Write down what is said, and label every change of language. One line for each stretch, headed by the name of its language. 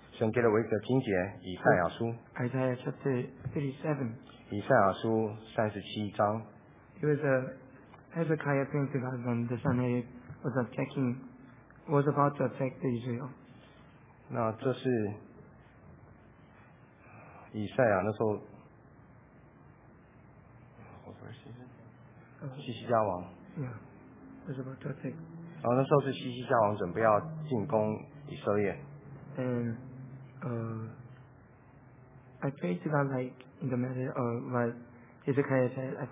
Chinese: 神给了我一个经节，以赛亚书。
English: Isaiah chapter 37.
Chinese: 以赛亚书三十七章。
English: It was a Hezekiah praying to God when the Sanhedrin was attacking, was about to attack Israel.
Chinese: 那这是以赛亚那时候，西西家王。
English: Yeah, was about to attack.
Chinese: 然后那时候是西西家王准备要进攻以色列。
English: And I prayed to God like in the matter of what Hezekiah said.